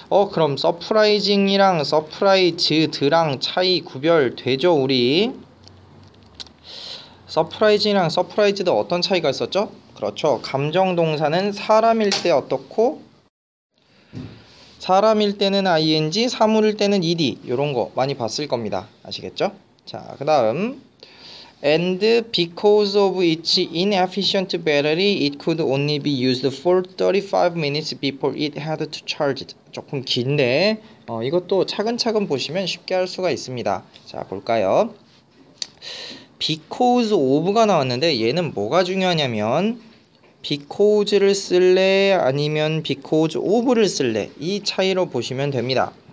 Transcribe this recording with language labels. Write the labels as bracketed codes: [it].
[ko] 그럼 surprising이랑 surprised랑 차이 구별되죠, 우리? surprising이랑 surprised 어떤 차이가 있었죠? 그렇죠. 감정동사는 사람일 때 어떻고 사람일 때는 ing, 사물일 때는 ed 이런 거 많이 봤을 겁니다. 아시겠죠? 자, 그 다음 [en] and because of its inefficient battery it could only be used for 35 minutes before it had to charge it. [ko] 조금 긴데 이것도 차근차근 보시면 쉽게 할 수가 있습니다. 자, 볼까요? because of가 나왔는데 얘는 뭐가 중요하냐면 because를 쓸래 아니면 because of를 쓸래, 이 차이로 보시면 됩니다.